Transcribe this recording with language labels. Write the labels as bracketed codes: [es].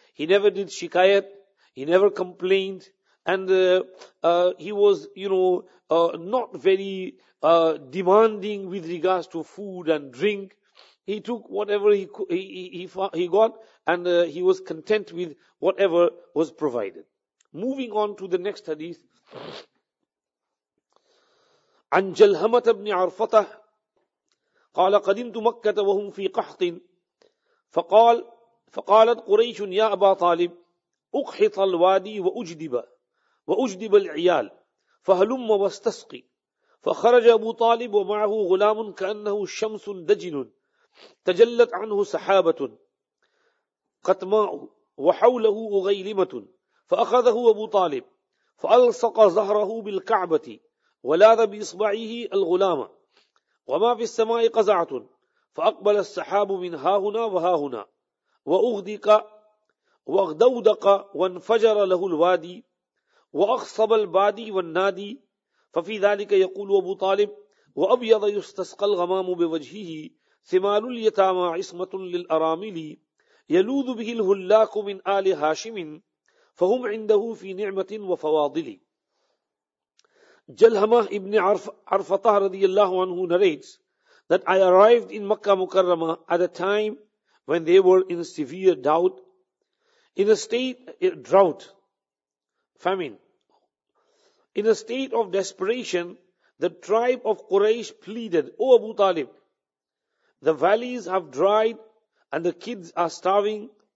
[en] He never did shikayat, he never complained, and he was, you know, not very demanding with regards to food and drink. He took whatever he got, and he was content with whatever was provided. Moving on to the next hadith. [ar] عن جلهمة بن عرفطة قال قدمت مكة وهم في قحط فقالت قريش يا أبا طالب أقحط الوادي وأجدب العيال فهلم واستسقي فخرج أبو طالب ومعه غلام كأنه شمس دجن تجلت عنه سحابة قطماء وحوله أغيلمة فأخذه أبو طالب فألصق ظهره بالكعبة ولاذ بإصبعه الغلام وما في السماء قزعة فأقبل السحاب من هاهنا وهاهنا وأغدق واغدودق وانفجر له الوادي وأخصب البادي والنادي ففي ذلك يقول أبو طالب وأبيض يستسقى الغمام بوجهه ثمال اليتامى عصمة للأرامل يلوذ به الهلاك من آل هاشم فهم عنده في نعمة وفواضل. [en] Jalhamah ibn Arfatah radiallahu anhu narrates that I arrived in Makkah Mukarramah at a time when they were in severe doubt, in a state of drought, famine. In a state of desperation, the tribe of Quraysh pleaded, O Abu Talib, the valleys have dried and the kids are starving.